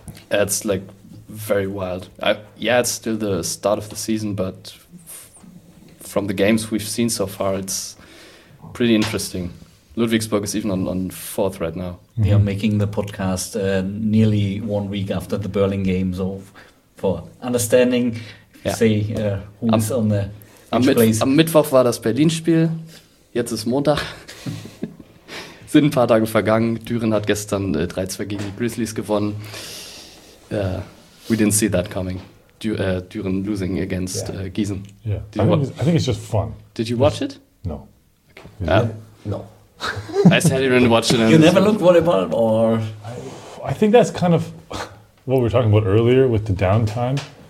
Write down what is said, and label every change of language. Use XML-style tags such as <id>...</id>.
<en>It's like very wild. It's still the start of the season, but from the games we've seen so far, it's pretty interesting. Ludwigsburg is even on fourth right now. Mm-hmm. We are making the podcast nearly 1 week after the Berlin games. For understanding, who's on the place.</en> <de>Am Mittwoch war das Berlin-Spiel, jetzt ist Montag. Sind ein paar Tage vergangen. Düren hat gestern 3-2 gegen die Grizzlies gewonnen.</de> <en>We didn't see that coming. Düren losing against Gießen. Yeah. I think it's just fun. Did you watch it? No. Okay. No. I said you didn't watch it. You never looked volleyball, or I think that's kind of what we were talking about earlier with the downtime.</en>